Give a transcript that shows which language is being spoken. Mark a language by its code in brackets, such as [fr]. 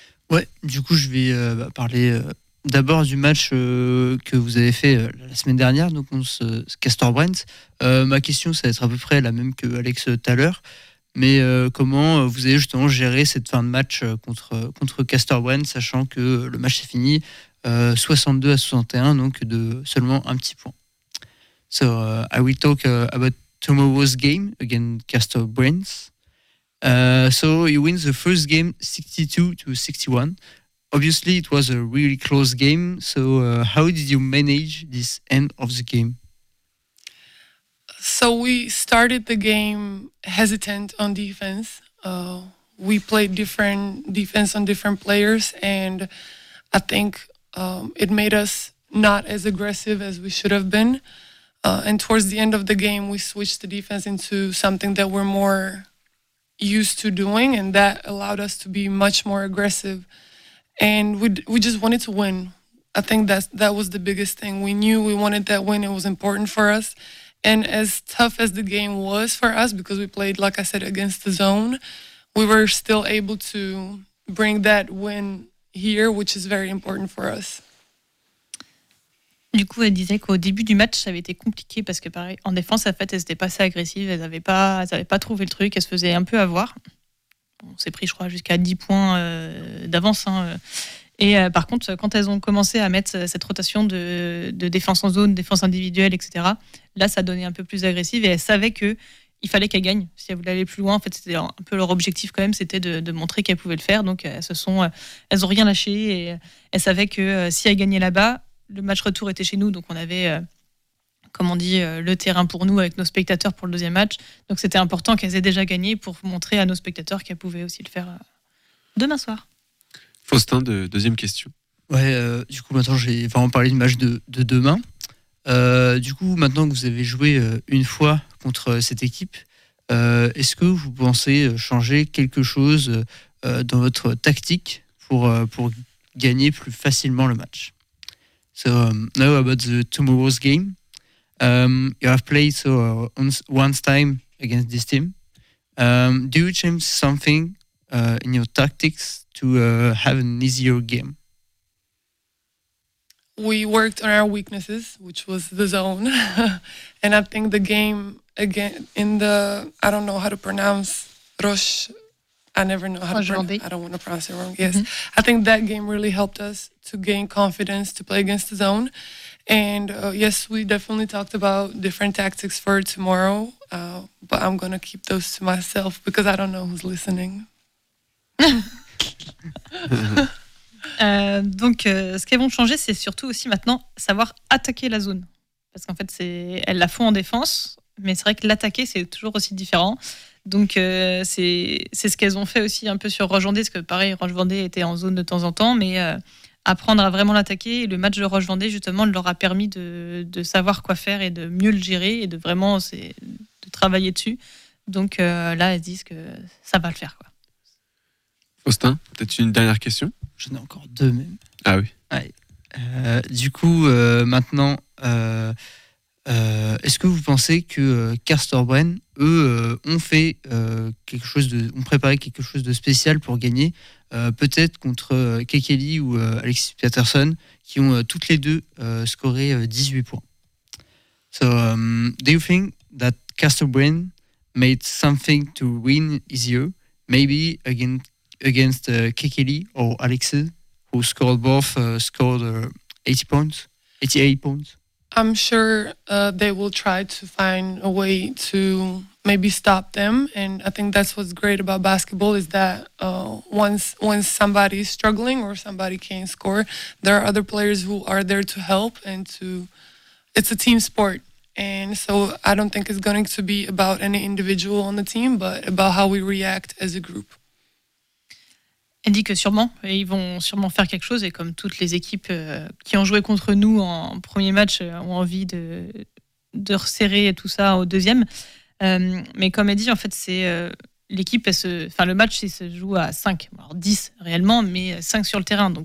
[fr] Ouais, du coup, je vais parler d'abord du match que vous avez fait la semaine dernière, donc contre Castors Brède. Ma question, ça va être à peu près la même que Alex tout à l'heure, mais comment vous avez justement géré cette fin de match contre Castors Brède, sachant que le match est fini 62-61, donc de seulement un petit point. [en] So I will talk about tomorrow's game against Castors Brède. So you win the first game 62-61. Obviously, it was a really close game. So how did you manage this end of the game? So we started the game hesitant on defense. We played different defense on different players, and I think it made us not as aggressive as we should have been. And towards the end of the game, we switched the defense into something that we're more used to doing, and that allowed us to be much more aggressive. And we just wanted to win. I think that was the biggest thing. We knew we wanted that win. It was important for us. And as tough as the game was for us, because we played, like I said, against the zone, we were still able to bring that win here, which is very important for us. [fr] Du coup, elle disait qu'au début du match, ça avait été compliqué parce que, pareil, en défense, en fait, elles n'étaient pas assez agressives, elles n'avaient pas trouvé le truc, elles se faisaient un peu avoir. On s'est pris, je crois, jusqu'à 10 points d'avance. Hein. Et par contre, quand elles ont commencé à mettre cette rotation de défense en zone, défense individuelle, etc., là, ça donnait un peu plus agressive et elles savaient qu'il fallait qu'elles gagnent. Si elles voulaient aller plus loin, en fait, c'était un peu leur objectif quand même, c'était de montrer qu'elles pouvaient le faire. Donc, elles n'ont rien lâché et elles savaient que si elles gagnaient là-bas, le match retour était chez nous, donc on avait, le terrain pour nous avec nos spectateurs pour le deuxième match. Donc c'était important qu'elles aient déjà gagné pour montrer à nos spectateurs qu'elles pouvaient aussi le faire demain soir. Faustin, deuxième question. Ouais, du coup, maintenant, j'ai vraiment parlé du match de demain. Du coup, maintenant que vous avez joué une fois contre cette équipe, est-ce que vous pensez changer quelque chose dans votre tactique pour gagner plus facilement le match? [en] So now about the tomorrow's game, you have played so once time against this team. Do you change something in your tactics to have an easier game? We worked on our weaknesses, which was the zone, and I think the game again in the I don't want to pronounce it wrong. Yes. Mm-hmm. I think that game really helped us to gain confidence to play against the zone. And yes, we definitely talked about different tactics for tomorrow, but I'm going to keep those to myself because I don't know who's listening. [fr] Donc, ce qu'elles vont changer, c'est surtout aussi maintenant savoir attaquer la zone. Parce qu'en fait, elles la font en défense, mais c'est vrai que l'attaquer, c'est toujours aussi différent. Donc, c'est ce qu'elles ont fait aussi un peu sur Roche Vendée, parce que pareil, Roche Vendée était en zone de temps en temps, mais apprendre à vraiment l'attaquer, le match de Roche Vendée, justement, leur a permis de savoir quoi faire et de mieux le gérer et de vraiment de travailler dessus. Donc là, elles disent que ça va le faire, quoi. Faustin, peut-être une dernière question ? J'en ai encore deux, même. Ah oui. Ouais. Maintenant, est-ce que vous pensez que Kerstorbren, eux, ont fait quelque chose de, ont préparé quelque chose de spécial pour gagner, peut-être contre Kekeli ou Alexis Peterson, qui ont toutes les deux scoré 18 points. [en] So, do you think that Kerstorbren made something to win easier, maybe against Kekeli or Alexis, who scored both 88 points? I'm sure they will try to find a way to maybe stop them. And I think that's what's great about basketball is that once somebody is struggling or somebody can't score, there are other players who are there to help. And it's a team sport. And so I don't think it's going to be about any individual on the team, but about how we react as a group. [fr] Elle dit que sûrement, ils vont sûrement faire quelque chose. Et comme toutes les équipes qui ont joué contre nous en premier match ont envie de resserrer tout ça au deuxième. Mais comme elle dit, en fait, c'est l'équipe, le match, il se joue à 5, alors 10 réellement, mais 5 sur le terrain.